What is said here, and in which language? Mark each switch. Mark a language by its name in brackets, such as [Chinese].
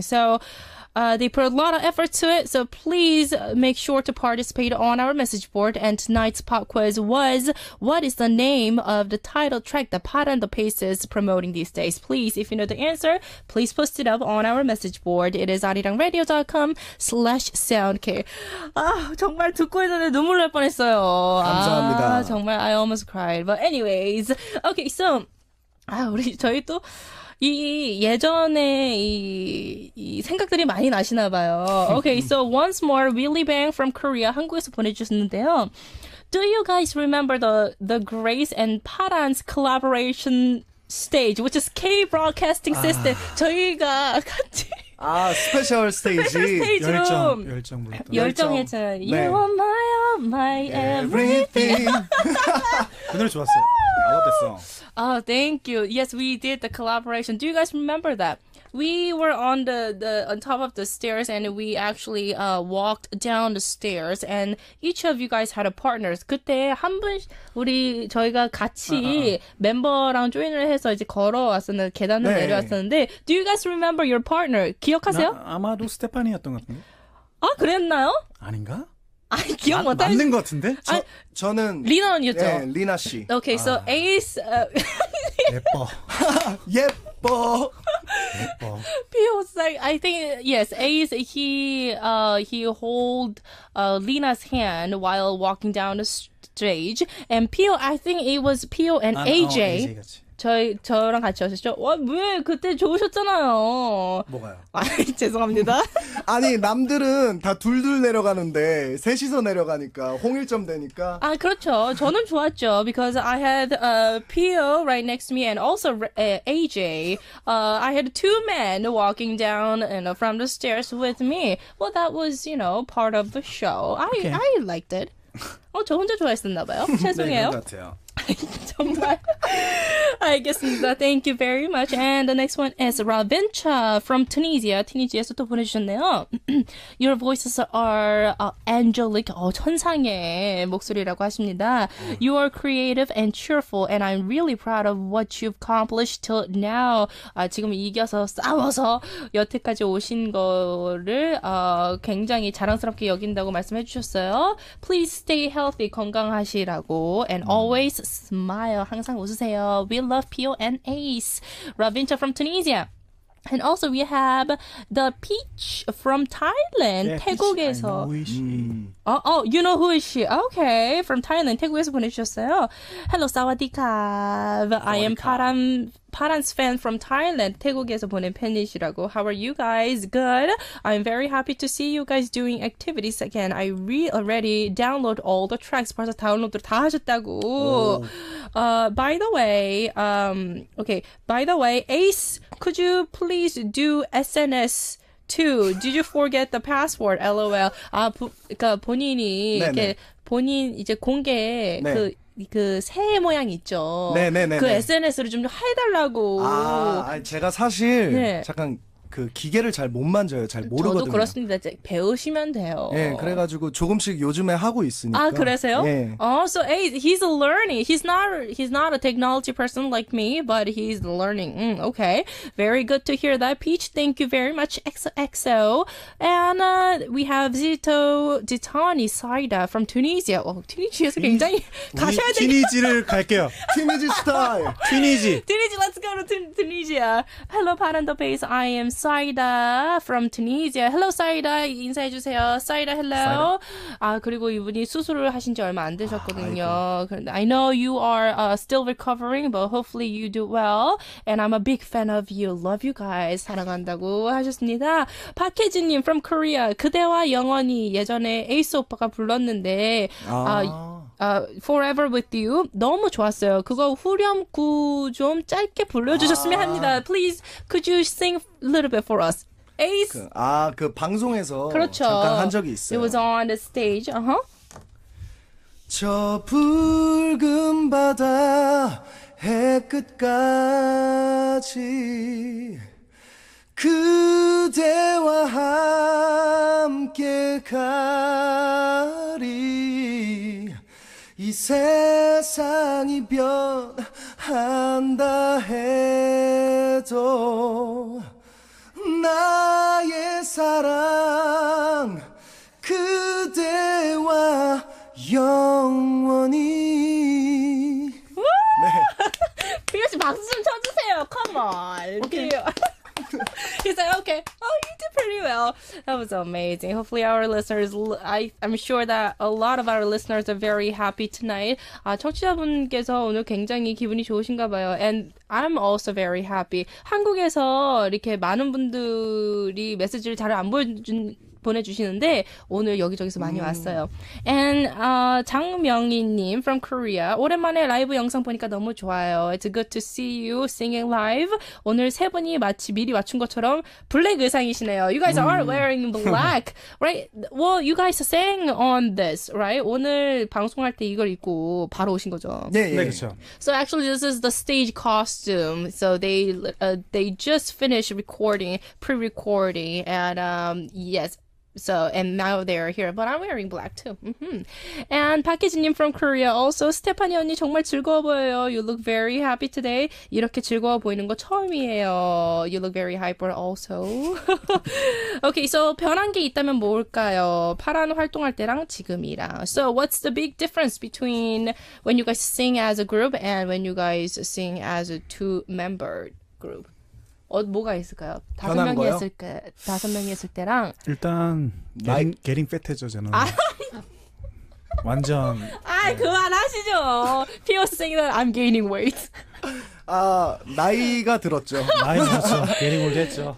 [English] So, they put a lot of effort to it, so please make sure to participate on our message board. And tonight's pop quiz was, what is the name of the title track that Paran the Pace is promoting these days? Please, if you know the answer, please post it up on our message board. It is arirangradio.com/soundk. [Korean] 아, 정말 듣고 있는데 눈물 날 뻔했어요. 감사합니다. 아, 정말 [English] I almost cried. But anyways, okay, so, [Korean] 아, 우리 저희 또 이 예전에 이 생각들이 많이 나시나 봐요. [English] Okay, so once more, Willie Bang from Korea, [Korean] 한국에서 보내주셨는데요. [English] Do you guys remember the Grace and Paran's collaboration stage, which is K broadcasting system? [Korean] 아. 저희가 같이 아 스페셜 스테이지 열정 열정했잖아요. [English] You are my all, my everything. [Korean] 그 노래 좋았어요. 알아봤어. [English] Oh, thank you. Yes, we did the collaboration. Do you guys remember that? We were on the on top of the stairs and we actually walked down the stairs and each of you guys had a partner. [Korean] 그때 한 분 우리 저희가 같이 멤버랑 조인을 해서 이제 걸어왔었는데 계단을 네. 내려왔었는데 [English] Do you guys remember your partner? [Korean] 기억하세요? 나, 아마도 스테파니였던 것 같은데. 아, 그랬나요? 아닌가? 아니, 기억 못 하는 맞는 것 같은데? 저, 아니, 저는 리나언니였죠? 네, 리나 씨. [English] Okay, so 아. Ace. [Korean] 예뻐. 예뻐. 예뻐. [English] People say, I think, yes, Ace, he hold Lina's hand while walking down the stage. And Pio, I think it was Pio and [Korean] 아, [English] AJ. [Korean] 어, AJ 같이. 저랑 같이 오셨죠? 와, 왜 그때 좋으셨잖아요. 뭐가요? 아, 죄송합니다. 아니 남들은 다 둘둘 내려가는데 셋이서 내려가니까 홍일점 되니까. 아 그렇죠. 저는 좋았죠. [English] Because I had Pio right next to me and also AJ. I had two men walking down you know, from the stairs with me. Well, that was you know part of the show. I liked it. [Korean] 어, 저 혼자 좋아했었나 봐요. 죄송해요. 네, 그런 것 같아요. 정말 알겠습니다. [English] Thank you very much. And the next one is Ravincha from Tunisia. [Korean] 튀니지에서 또 보내주셨네요. [English] Your voices are angelic. [Korean] 어, 천상의 목소리라고 하십니다. [English] You are creative and cheerful and I'm really proud of what you've accomplished till now. [Korean] 아, 지금 이겨서 싸워서 여태까지 오신 거를 굉장히 자랑스럽게 여긴다고 말씀해 주셨어요. [English] Please stay healthy. [Korean] 건강하시라고. [English] And always smile. [Korean] 항상 웃으세요. [English] We love Pio and Ace. Ravincha from Tunisia. And also we have the Peach from Thailand. Yeah, [Korean] 태국에서. [English] Peach, I know who is she. Oh, you know who is she. Okay. From Thailand. [Korean] 태국에서 보내주셨어요. [English] Hello, 사와디캅. I am Paran. Paran's fan from Thailand, [Korean] 태국에서 보낸 팬이시라고. [English] How are you guys? Good. I'm very happy to see you guys doing activities again. I already download all the tracks. [Korean] 벌써 다운로드 다 하셨다고. [English] By the way, okay. By the way, Ace, could you please do SNS? Two, did you forget the password? LOL. [Korean] 아, 그러니까 본인이 네, 이렇게 네. 본인 이제 공개 네. 그 새 모양 있죠. 네, 네, 네. 그 네. SNS를 좀 해달라고. 아, 아니, 제가 사실 네. 잠깐 그 기계를 잘 못 만져요. 잘 모르거든요. 저도 그렇습니다. 이제 배우시면 돼요. 네, 그래가지고 조금씩 요즘에 하고 있으니까. 아, 그러세요? 네. [English] Oh, so he's learning. He's not a technology person like me, but he's learning. Okay, very good to hear that, Peach. Thank you very much, XOXO. And we have Zito Ditani Saida from Tunisia. [Korean] 오, 튀니지에서 굉장히 가셔야 돼요. 튀니지를 갈게요. 튀니지 스타일. 튀니지. [English] 튀니지, let's go to Tunisia. Hello, Paran the Pace. I am Saida from Tunisia. Hello, Saida. [Korean] 인사해 주세요. [English] Saida, hello. Saida. [Korean] 아 그리고 이분이 수술을 하신 지 얼마 안 되셨거든요. [English] 아, I know you are still recovering, but hopefully you do well. And I'm a big fan of you. Love you guys. [Korean] 사랑한다고 하셨습니다. [English] 박혜진님 from Korea. [Korean] 그대와 영원히 예전에 에이스 오빠가 불렀는데. 아. [English] Forever with you. [Korean] 너무 좋았어요. 그거 후렴구 좀 짧게 불러주셨으면 아. 합니다. [English] Please, could you sing a little bit for us? Ace? [Korean] 그, 아, 그 방송에서 그렇죠. 잠깐 한 적이 있어요. [English] It was on the stage. Uh-huh. [Korean] 저 붉은 바다 해 끝까지 그대와 함께 가리 이 세상이 변한다 해도 나의 사랑 그대와 영원히 비교시 네. 박수 좀 쳐주세요. [English] Come on. Okay. He's like, okay, oh, you did pretty well. That was amazing. Hopefully our listeners, I'm sure that a lot of our listeners are very happy tonight. [Korean] 아, 청취자분께서 오늘 굉장히 기분이 좋으신가 봐요. [English] And I'm also very happy. [Korean] 한국에서 이렇게 많은 분들이 메시지를 잘 안 보내주시는데 오늘 여기저기서 많이 왔어요. [English] And 장명희님 from Korea. [Korean] 오랜만에 라이브 영상 보니까 너무 좋아요. [English] It's good to see you singing live. [Korean] 오늘 세 분이 마치 미리 맞춘 것처럼 블랙 의상이시네요. [English] You guys are wearing black, right? Well, you guys sang on this, right? [Korean] 오늘 방송할 때 이걸 입고 바로 오신 거죠? 네, 예, 예. 네, 그렇죠. [English] So actually, this is the stage costume. So they just finished recording, pre-recording, and yes. So, and now they're here, but I'm wearing black too. And 박혜진님 from Korea also. [Korean] 스테파니 언니 정말 즐거워 보여요. [English] You look very happy today. [Korean] 이렇게 즐거워 보이는 거 처음이에요. [English] You look very hyper also. Okay, so [Korean] 변한 게 있다면 뭘까요? 파란 활동할 때랑 지금이랑. [English] So, what's the big difference between when you guys sing as a group and when you guys sing as a two-member group? [Korean] 뭐가 있을까요? 다섯 명이 했을 때, 다섯 명이 했을 때랑 일단 [English] getting fit [Korean] 해져 저는 아, 완전 아 네. 그만하시죠. [English] POS saying that I'm gaining weight. [Korean] 아 나이가 들었죠. 나이 들었죠. [English] getting old [Korean] 했죠.